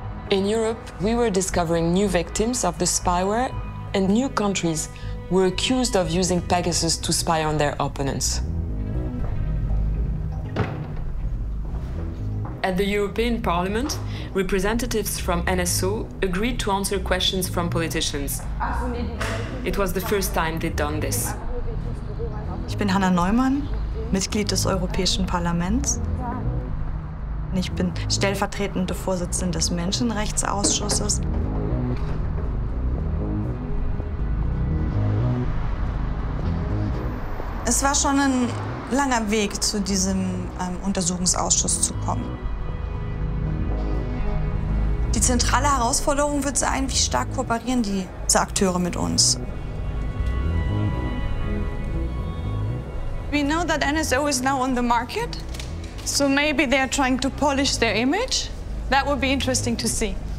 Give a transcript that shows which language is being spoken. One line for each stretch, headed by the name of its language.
English: In Europe, we were discovering new victims of the spyware, and new countries were accused of using Pegasus to spy on their opponents. At the European Parliament, representatives from NSO agreed to answer questions from politicians. It was the first time they'd done this.
German: Ich bin Hanna Neumann, Mitglied des Europäischen Parlaments. Ich bin stellvertretende Vorsitzende des Menschenrechtsausschusses. Es war schon ein langer Weg, zu diesem Untersuchungsausschuss zu kommen. Die zentrale Herausforderung wird sein, wie stark kooperieren die Akteure mit uns.
English: We know that NSO is now on the market, so maybe they are trying to polish their image. That would be interesting to see.